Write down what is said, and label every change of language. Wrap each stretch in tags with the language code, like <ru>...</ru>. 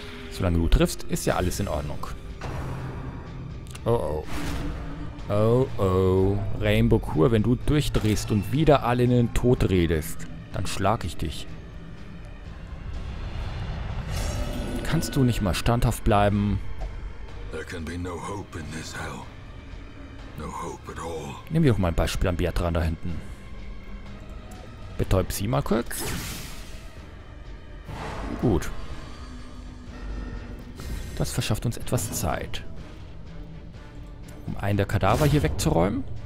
<de>Solange du triffst, ist ja alles in Ordnung. Oh oh. Oh oh. Rainbow Core, wenn du durchdrehst und wieder alle in den Tod redest, dann schlag ich dich. Kannst du nicht mal standhaft bleiben?</de> <en>There can be no hope in this hell. No hope at all.</en> <de>Nehmen wir doch mal ein Beispiel an Beatran da hinten. Betäub sie mal kurz. Gut. Das verschafft uns etwas Zeit. Um einen der Kadaver hier wegzuräumen.</de>